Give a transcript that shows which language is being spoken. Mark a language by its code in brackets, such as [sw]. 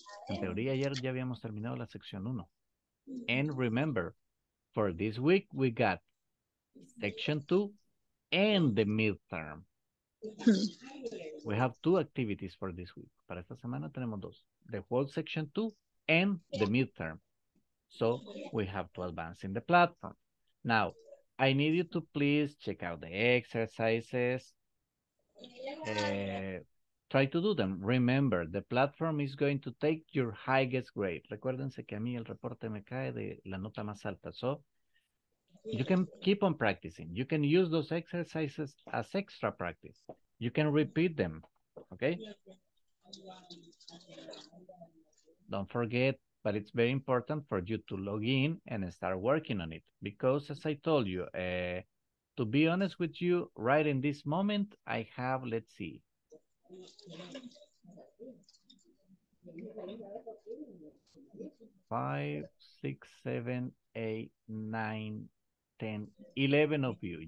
[es] En teoría, ayer ya habíamos terminado la sección 1. [en] And remember, for this week, we got section 2 and the midterm. We have 2 activities for this week. [es] Para esta semana tenemos 2. [en] The whole section 2 and the midterm. So we have to advance in the platform. Now, I need you to please check out the exercises. Try to do them. Remember, the platform is going to take your highest grade. [es] Recuérdense que a mí el reporte me cae de la nota más alta. [en] So, you can keep on practicing. You can use those exercises as extra practice. You can repeat them, okay? Don't forget, but it's very important for you to log in and start working on it. Because, as I told you, to be honest with you, right in this moment, I have, let's see, 5, 6, 7, 8, 9, 10, 11 of you.